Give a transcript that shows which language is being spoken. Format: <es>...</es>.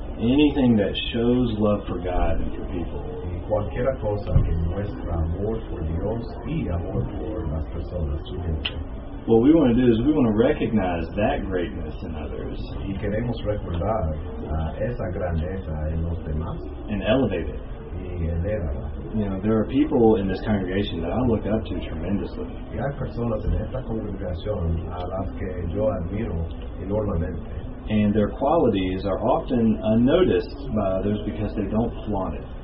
<en>Anything that shows love for God and for people.</en> <es>Y cualquier cosa que muestra amor por Dios y amor por las personas, su gente.</es> <en>What we want to do is we want to recognize that greatness in others.</en> <es>Y queremos recordar esa grandeza en los demás.</es> <en>And elevate it.</en> <es>Y elevarla.</es> <en>You know, there are people in this congregation that I look up to tremendously.</en> <es>Y hay personas en esta congregación a las que yo admiro enormemente.</es> <en>And their qualities are often unnoticed by others because they don't flaunt it.</en>